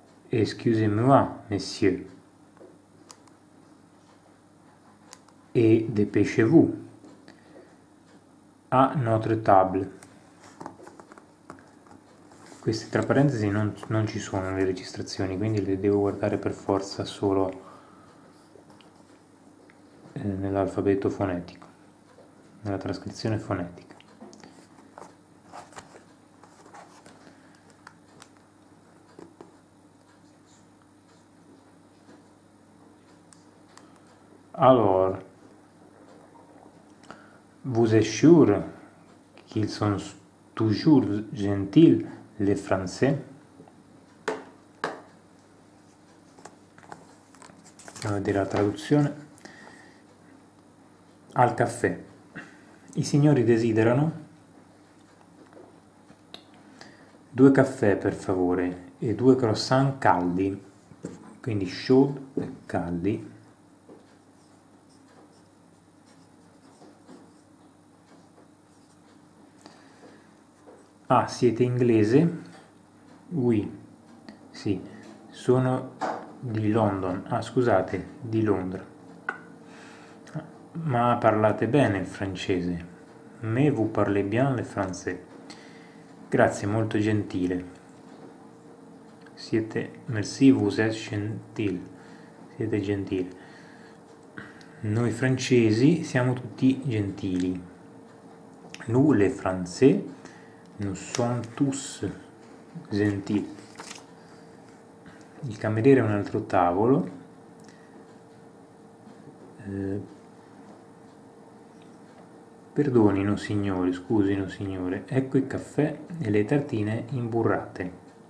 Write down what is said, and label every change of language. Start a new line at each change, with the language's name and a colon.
French: Excusez-moi, messieurs. Et dépêchez-vous à notre table.
Italian: Queste tra parentesi non ci sono le registrazioni, quindi le devo guardare per forza solo nell'alfabeto fonetico. Nella trascrizione fonetica.
French: Allora, vous êtes sûr qu'ils sont toujours gentils, les Français?
Italian: Andiamo a vedere la traduzione. Al caffè. I signori desiderano due caffè, per favore, e due croissant caldi, quindi chaud e caldi. Et siete inglese? Oui, sì, sono di London. Ah, scusate, di Londra. Ma parlate bene il francese.
French: Mais vous parlez bien le français.
Italian: Grazie, molto gentile. Siete.
French: Merci, vous êtes gentil. Siete gentili.
Italian: Noi francesi siamo tutti gentili.
French: Nous, les français, nous sommes tous gentils.
Italian: Il cameriere è un altro tavolo. Perdonino signore, scusino signore, ecco il caffè e le tartine imburrate.